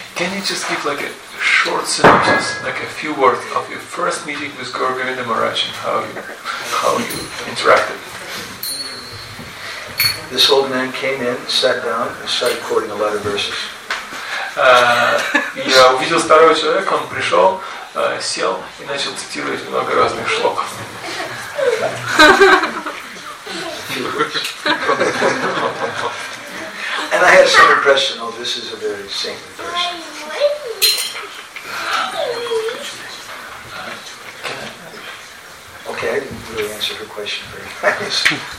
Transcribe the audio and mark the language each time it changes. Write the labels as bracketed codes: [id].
[en] Can you just give like a short synopsis, like a few words of your first meeting with Guru Govinda Maharaj and how you interacted? This old man came in, sat down, and started quoting a lot of verses. [ru] Я увидел старого человека, он пришел, сел и начал цитировать много разных шлоков. [en] And I had some impression, oh, this is a very saintly person. Okay, I didn't really answer her question very nicely.